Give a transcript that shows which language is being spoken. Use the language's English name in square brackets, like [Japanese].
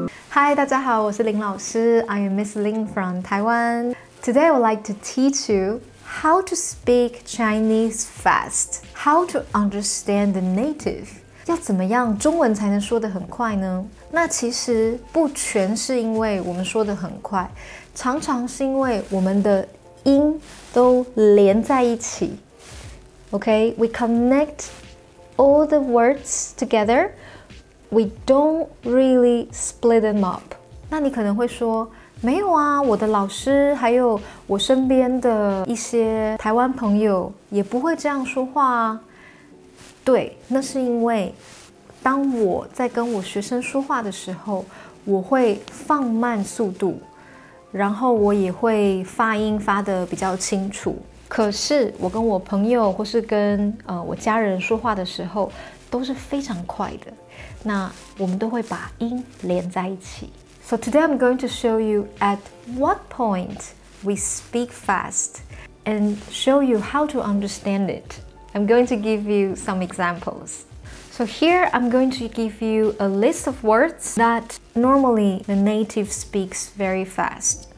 [Chinese] Hi, 大家好，我是林老师。 [English] I am Miss Lin from Taiwan. Today, I would like to teach you how to speak Chinese fast, how to understand the native. [Chinese] 要怎么样中文才能说得很快呢？那其实不全是因为我们说得很快，常常是因为我们的音都连在一起。 [English] OK, we connect all the words together. We don't really split them up. [Chinese] 那你可能会说，没有啊，我的老师还有我身边的一些台湾朋友也不会这样说话啊。对，那是因为当我在跟我学生说话的时候，我会放慢速度，然后我也会发音发得比较清楚。可是我跟我朋友或是跟我家人说话的时候都是非常快的，那我们都会把音连在一起。 [English] So today I'm going to show you at what point we speak fast and show you how to understand itI'm going to give you some examples. So here, I'm going to give you a list of words that normally the native speaks very fast.